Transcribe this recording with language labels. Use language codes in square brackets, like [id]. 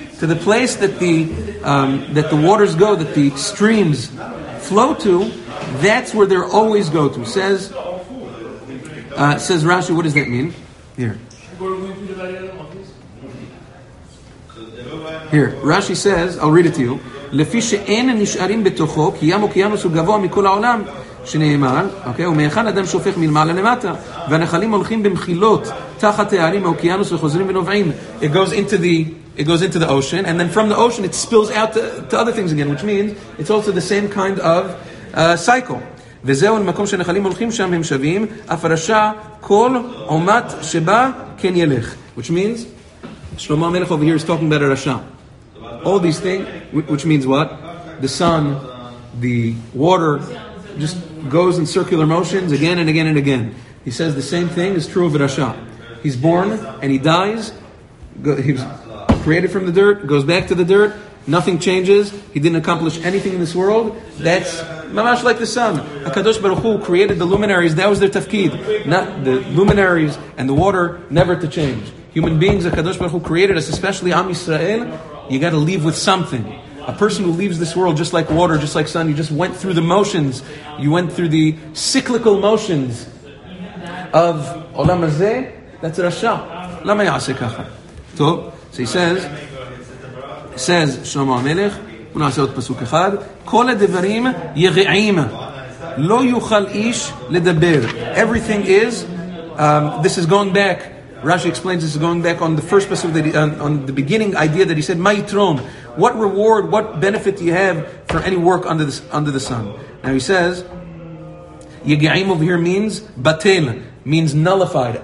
[en] To the place that the waters go, that the streams flow to, that's where they always go to. Says Rashi, what does that mean? Here. Here, Rashi says, I'll read it to you. [he] לפי שאין נשארים בתוכו, כי ים אוקיינוס הוא גבוה מכל העולם, שנאמר, אוקיי, ומאחד אדם שופך מלמעלה למטה, והנחלים הולכים במחילות תחת הערים האוקיינוס וחוזרים ונובעים. [en] It goes into the ocean, and then from the ocean it spills out to other things again, which means it's also the same kind of cycle. [he] וזהו, למקום שנחלים הולכים שם הם שווים, אף הרשע כל עומת שבא כן ילך. [en] Which means, Shlomo HaMelech over here is talking about a rasha. All these things, which means what? The sun, the water, just goes in circular motions again and again and again. He says the same thing is true of a rasha. He's born and he dies. He's created from the dirt, goes back to the dirt. Nothing changes. He didn't accomplish anything in this world. That's mamash like the sun. HaKadosh Baruch Hu created the luminaries. That was their tafkid. Not the luminaries and the water never to change. Human beings, HaKadosh Baruch Hu created us, especially Am Yisrael, you got to leave with something. A person who leaves this world just like water, just like sun, you just went through the motions. You went through the cyclical motions of Olam Hazeh, that's Rasha. [he] Lama Ya'aseh Kacha? [en] So he says, [he] Shlomo HaMelech, ונעשה עוד פסוק אחד, כל הדברים יגעים, לא יוכל איש לדבר. [en] Everything is, this is going back, Rashi explains this is going back on the first pasuk that on the beginning idea that he said, "Ma'itron, what reward, what benefit do you have for any work under the sun?" Now he says, "Yegeim" over here means batel, means nullified.